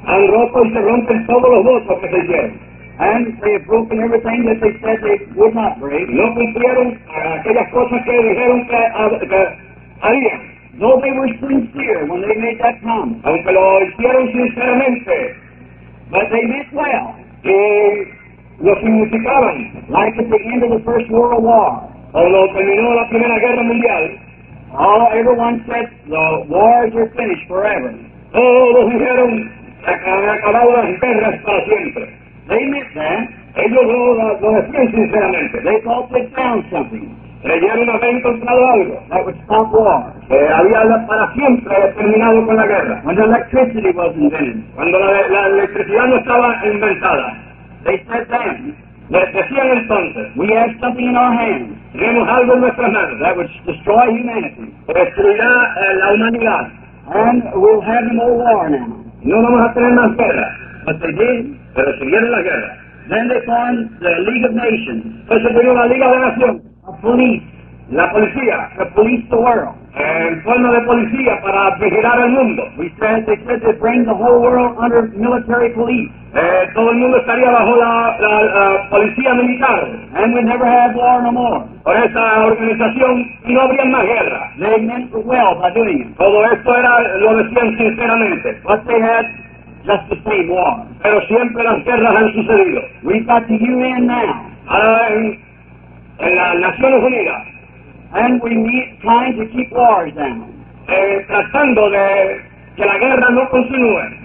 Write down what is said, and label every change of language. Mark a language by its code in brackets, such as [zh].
[es] and roto y se rompen todos los votos que se hicieron. [en] And they have broken everything that they said they would not break. [es] No cumplieron aquellas cosas que dijeron que harían. [en] Though they were sincere when they made that promise. [es] Aunque lo hicieron sinceramente. [en] But they meant well. [es] Y lo significaban. [en] Like at the end of the First World War. [es] Cuando terminó la Primera Guerra Mundial, [en] all everyone said the wars are finished forever. [es] Todos dijeron acabado las guerras para siempre. [en] They meant that. [es] Ellos lo decían sinceramente. [en] They thought they found something. [es] Creyeron haber encontrado algo. [en] That would stop wars. [es] Que había para siempre terminado con la guerra. [en] When the electricity was invented. [es] Cuando la electricidad no estaba inventada. [en] They said then. [es] Les decían entonces. [en] We have something in our hands. [es] Tenemos algo en nuestras manos. [en] That would destroy humanity. [es] Destruirá la humanidad. [en] And we'll have no war now. [es] No vamos a tener más guerra. [en] But they did. [es] Pero siguieron la guerra. [en] Then they formed the League of Nations. [es] Pues se creó la Liga de Naciones. [en] A police. [es] La policía. [en] To police the world. [es] En forma de policía para vigilar el mundo. [en] They said they'd bring the whole world under military police. [es] Todo el mundo estaría bajo la policía militar. [en] And we never have war no more. [es] Por esa organización y no habría más guerra. [en] They meant well by doing it. [es] Todo esto era lo decían sinceramente. [en] But they had just the same war. [es] Pero siempre las guerras han sucedido. [en] We've got the UN now. [es] Ahora en las Naciones Unidas. [en] And we meet trying to keep wars down. [es] Tratando de que la guerra no continúe.